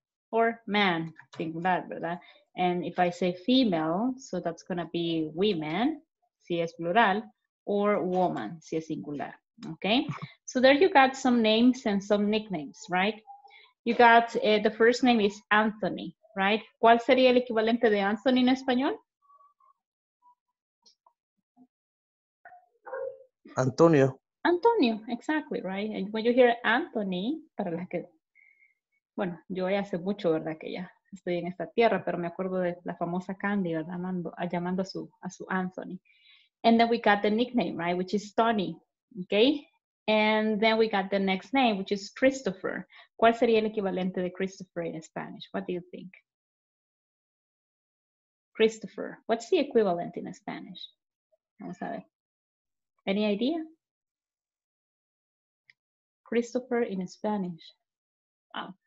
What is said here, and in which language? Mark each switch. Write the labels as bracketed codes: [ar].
[en] Or man, think that, ¿verdad? And if I say female, so that's gonna be women, [es] si es plural, [en] or woman, [es] si es singular, [en] okay? So there you got some names and some nicknames, right? You got, the first name is Anthony, right? [es] ¿Cuál sería el equivalente de Anthony en español? Antonio. [en] Antonio, exactly, right? And when you hear Anthony, [es] para la que... Bueno, yo ya hace mucho, ¿verdad? Que ya estoy en esta tierra, pero me acuerdo de la famosa Candy, ¿verdad? Llamando a su Anthony. [en] And then we got the nickname, right? Which is Tony, okay? And then we got the next name, which is Christopher. [es] ¿Cuál sería el equivalente de Christopher [en] in Spanish? What do you think? Christopher, what's the equivalent in Spanish? [es] Vamos a ver. [en] Any idea? Christopher in Spanish. Wow.